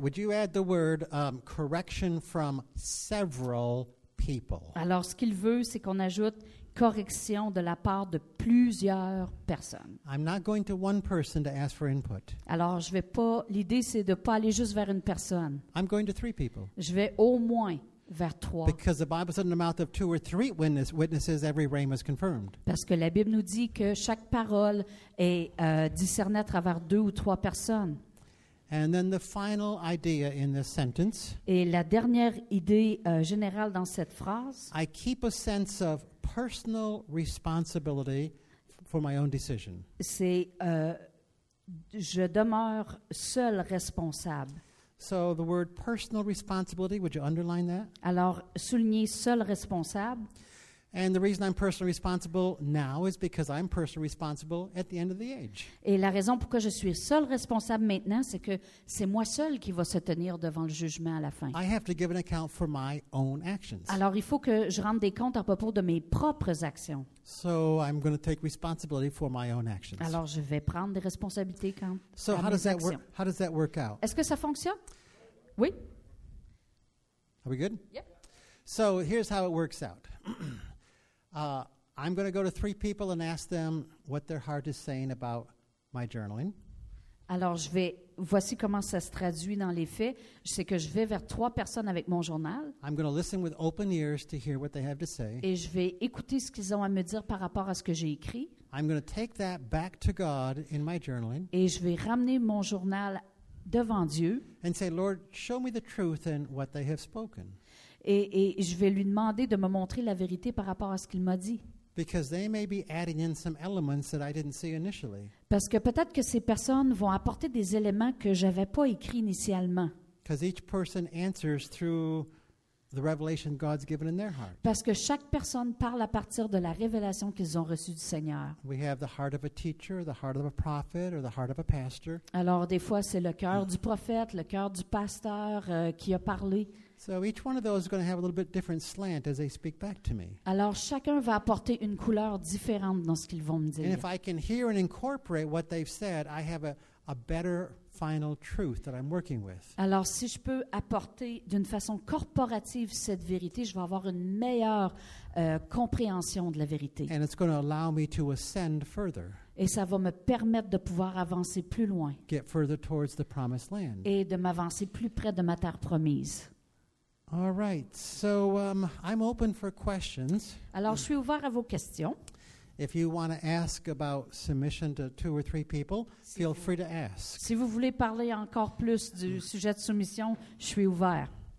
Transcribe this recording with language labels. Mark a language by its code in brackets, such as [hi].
[en] Would you add the word correction from several people? [fr] Alors, ce qu'il veut, c'est qu'on ajoute correction de la part de plusieurs personnes. [en] I'm not going to one person to ask for input. [fr] Alors, je vais pas, l'idée c'est de pas aller juste vers une personne. [en] I'm going to three people. [fr] Je vais au moins vers trois. [en] Because the Bible said in the mouth of two or three witnesses every rhema is confirmed. [fr] Parce que la Bible nous dit que chaque parole est discernée à travers deux ou trois personnes. [en] And then the final idea in this sentence. [fr] Et la dernière idée générale dans cette phrase. [en] I keep a sense of personal responsibility for my own decision. [fr] C'est je demeure seul responsable. [en] So the word personal responsibility, would you underline that? [fr] Alors souligner seul responsable. [en] And the reason I'm personally responsible now is because I'm personally responsible at the end of the age. [fr] Et la raison pourquoi je suis seul responsable maintenant, c'est que c'est moi seul qui va se tenir devant le jugement à la fin. [en] I have to give an account for my own actions. [fr] Alors il faut que je rende des comptes à propos de mes propres actions. [en] So I'm going to take responsibility for my own actions. [fr] Alors je vais prendre des responsabilités quand. [en] So how does that work? How does that work out? [fr] Est-ce que ça fonctionne? Oui. [en] Are we good? Yep. So here's how it works out. I'm going to go to three people and ask them what their heart is saying about my journaling. [fr] Alors, je vais. Voici comment ça se traduit dans les faits. C'est que je vais vers trois personnes avec mon journal. [en] I'm going to listen with open ears to hear what they have to say. [fr] Et je vais écouter ce qu'ils ont à me dire par rapport à ce que j'ai écrit. [en] I'm going to take that back to God in my journaling. [fr] Et je vais ramener mon journal devant Dieu. [en] And say, Lord, show me the truth in what they have spoken. [fr] et je vais lui demander de me montrer la vérité par rapport à ce qu'il m'a dit. [en] Because they may be adding in some elements that I didn't see initially. [fr] Parce que peut-être que ces personnes vont apporter des éléments que j'avais pas écrits initialement. [en] Because each person answers through the revelation God's given in their heart. [fr] Parce que chaque personne parle à partir de la révélation qu'ils ont reçue du Seigneur. [en] We have the heart of a teacher, the heart of a prophet, or the heart of a pastor. [fr] Alors des fois c'est le cœur du prophète, le cœur du pasteur qui a parlé. [en] So each one of those is going to have a little bit different slant as they speak back to me. [fr] Alors chacun va apporter une couleur différente dans ce qu'ils vont me dire. [en] And if I can hear and incorporate what they've said, I have a better final truth that I'm working with. [fr] Alors si je peux apporter d'une façon corporative cette vérité, je vais avoir une meilleure compréhension de la vérité. [en] And it's going to allow me to ascend further. [fr] Et ça va me permettre de pouvoir avancer plus loin. [en] Get further towards the promised land. [fr] Et de m'avancer plus près de ma terre promise. [en] All right, so I'm open for questions. [fr] Alors, je suis ouvert à vos questions. [en] If you want to ask about submission to two or three people, si feel free to ask. [fr] Si vous voulez parler encore plus du sujet de soumission, je suis ouvert.